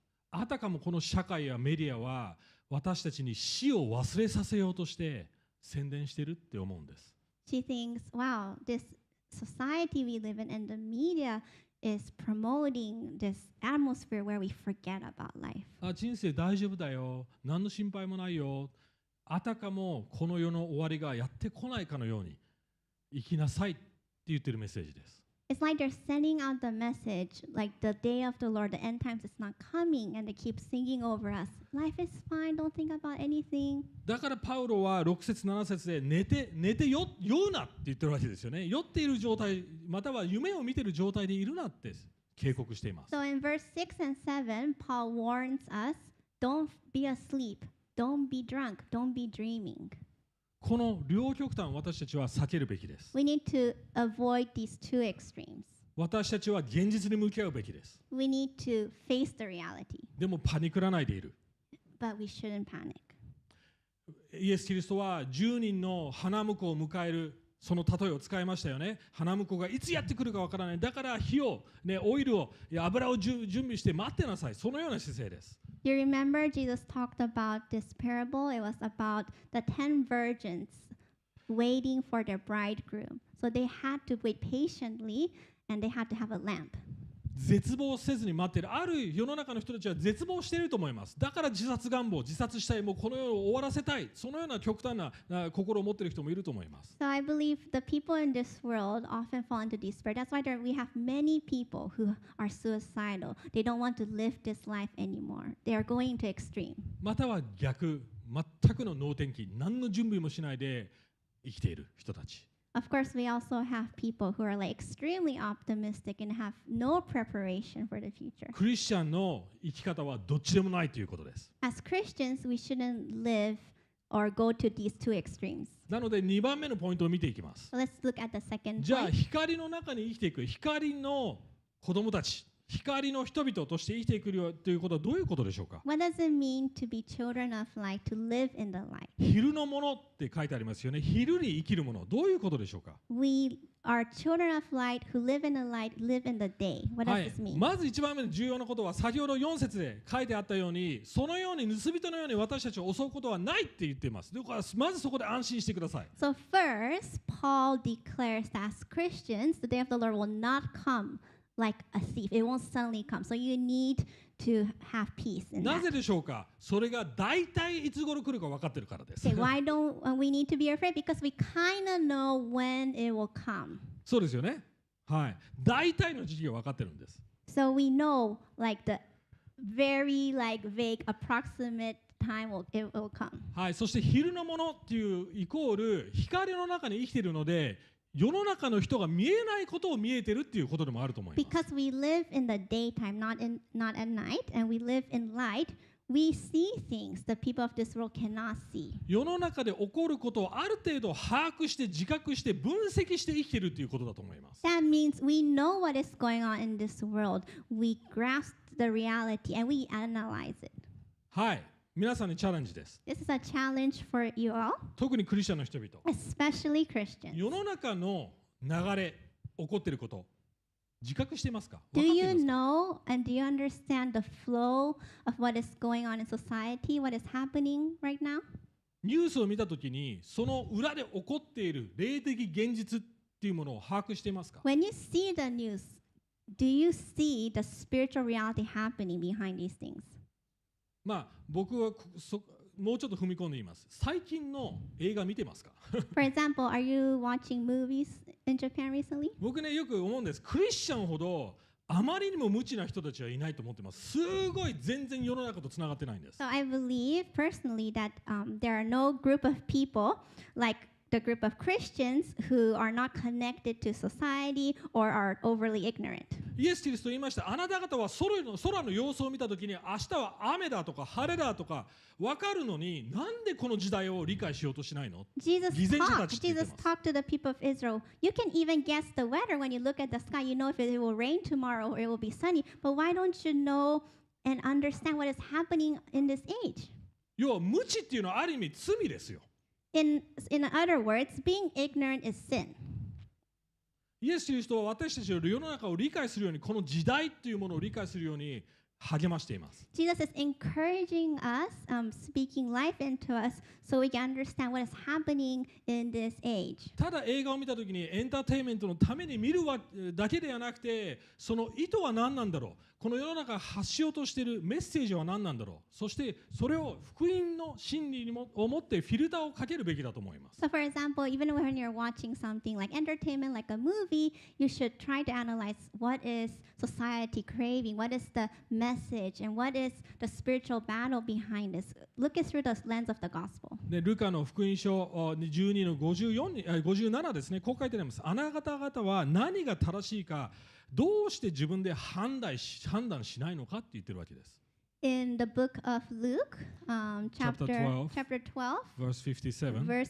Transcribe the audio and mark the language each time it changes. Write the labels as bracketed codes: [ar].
[ja] あたかもこの社会やメディアは私たちに死を忘れさせようとして宣伝してるって思うんです。 [en] She thinks, wow, this society we live in and the media is promoting this atmosphere where we forget about life. [ja] あ、人生大丈夫だよ。何の心配もないよ。あたかもこの世の終わりがやってこないかのように生きなさいって言ってるメッセージです。 [en] It's like they're sending out the message, like the day of the Lord, the end times is not coming, and they keep singing over us. Life is fine, don't think about anything. [ja] だからパウロは6節7節で寝て酔うなって言ってるわけですよね。酔っている状態、または夢を見ている状態でいるなって警告しています。 [en] So in verse 6 and 7, Paul warns us, don't be asleep. Don't be drunk. Don't be dreaming. [ja] この両極端を私たちは避けるべきです。 [en] We need to avoid these two extremes. [ja] 私たちは現実に向き合うべきです。 [en] We need to face the reality. [ja] でもパニクらないでいる。 [en] But we shouldn't panic. [ja] イエス・キリストは10人の花婿を迎えるその例えを使いましたよね。花婿がいつやってくるかわからない。だから火を、ね、オイルを、油を準備して待ってなさい。そのような姿勢です。 [en] You remember Jesus talked about this parable? It was about the 10 virgins waiting for their bridegroom. So they had to wait patiently and they had to have a lamp. [ja] 絶望せずに待っている。ある世の中の人たちは絶望していると思います。だから自殺願望、自殺したい、もうこの世を終わらせたい。そのような極端な心を持っている人もいると思います。 [en] So I believe the people in this world often fall into despair. That's why we have many people who are suicidal. They don't want to live this life anymore. They are going to extreme. [ja] または逆、全くの能天気、何の準備もしないで生きている人たち。 [en] Of course, we also have people who are like extremely optimistic and have no preparation for the future. [ja] クリスチャンの生き方はどっちでもないということです。 [en] As Christians, we shouldn't live or go to these two extremes. [ja] なので2番目のポイントを見ていきます。 [en] Let's look at the second point. [ja] じゃあ光の中に生きていく、光の子供たち、光の人々として生きていくということはどういうことでしょうか。 [en] What does it mean to be children of light, to live in the light? [ja] 昼のものって書いてありますよね。昼に生きるもの、どういうことでしょうか。 [en] We are children of light who live in the light, live in the day. What does this mean? [ja] まず一番目の重要なことは、先ほど4節で書いてあったように、そのように盗人のように私たちを襲うことはないって言っています。だからまずそこで安心してください。 [en] So first, Paul declares that as Christians, the day of the Lord will not come like a thief. It won't suddenly come. So you need to have peace in that. [ja] なぜでしょうか？それが大体いつ頃来るか分かってるからです。 [en] Okay, why don't we need to be afraid? Because we kind of know when it will come. [ja] そうですよね。はい。大体の時期が分かってるんです。 [en] So we know like the very like vague approximate time will, it will come. [ja] はい。そして昼のものっていうイコール光の中に生きているので、世の中の人が見えないことを見えてるっていうことでもあると思います。 [en] Because we live in the daytime, not at night, and we live in light, we see things the people of this world cannot see. [ja] 世の中で起こることをある程度把握して自覚して分析して生きてるっていうことだと思います。 [en] That means we know what is going on in this world. We grasp the reality and we analyze it. [ja] はい。皆さんにチャレンジです。 [en] This is a challenge for you all. [ja] 特にクリスチャンの人々。 [en] Especially Christians. [ja] 世の中の流れ、起こっていること、自覚していますか？ [en] Do you know and do you understand the flow of what is going on in society, what is happening right now? [ja] ニュースを見たときに、その裏で起こっている霊的現実っていうものを把握していますか？ [en] When you see the news, do you see the spiritual reality happening behind these things? [ja] まあ、僕はもうちょっと踏み込んで言います。最近の映画見てますか？ [en] For example, are you watching movies in Japan recently? [ja] 僕ね、よく思うんです。クリスチャンほどあまりにも無知な人たちはいないと思ってます。すごい全然世の中とつながってないんです。 [en] So I believe personally that, there are no group of people like the group of Christians who are not connected to society or are overly ignorant. [ja] イエス・キリストは言いました。あなた方は空の様子を見たときに、明日は雨だとか晴れだとか分かるのに、なんでこの時代を理解しようとしないの？ Jesus 偽善者たちって言ってます。 [en] Jesus talked to the people of Israel. You can even guess the weather when you look at the sky. You know if it will rain tomorrow or it will be sunny. But why don't you know and understand what is happening in this age? [ja] 要は無知っていうのはある意味罪ですよ。 [en] In other words, being ignorant is sin. [ja] イエスという人は私たちの世の中を理解するように、この時代というものを理解するように励ましています。 [en] Jesus is encouraging us, speaking life into us, so we can understand what is happening in this age. [ja] ただ映画を見たときにエンターテインメントのために見るだけではなくて、その意図は何なんだろう、この世の中発しようとしているメッセージは何なんだろう、そしてそれを福音の真理を持ってフィルターをかけるべきだと思います。 [en] So for example, even when you're watching something like entertainment, like a movie, you should try to analyze what is society craving, what is the message, and what is the spiritual battle behind this. Look it through the lens of the gospel. [ja] で、ルカの福音書12の54、57ですね、こう書いてあります。あなた方は何が正しいか、どうして自分で判断しないのかって言ってるわけです。 [en] In the book of Luke, chapter 12,